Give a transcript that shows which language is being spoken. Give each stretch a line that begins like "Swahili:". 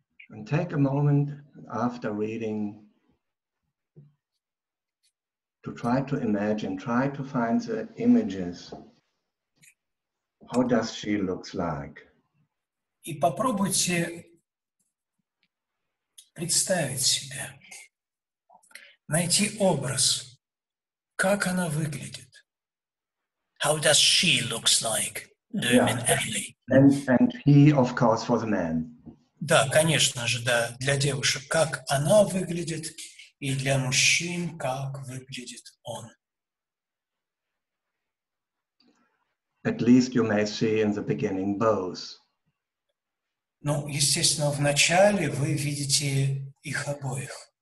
English: And take a moment after reading to try to imagine, try to find the images. How does she look like?
Russian: И попробуйте представить себя, найти образ. Как она выглядит?
English: How does she looks like? Do you mean Emily? And he, of course, for the man.
Russian: Да, конечно же, да, для девушек, как она выглядит, и для мужчин, как выглядит он.
English: At least you may see in the beginning both.
Russian: Ну, естественно, в начале вы видите их обоих.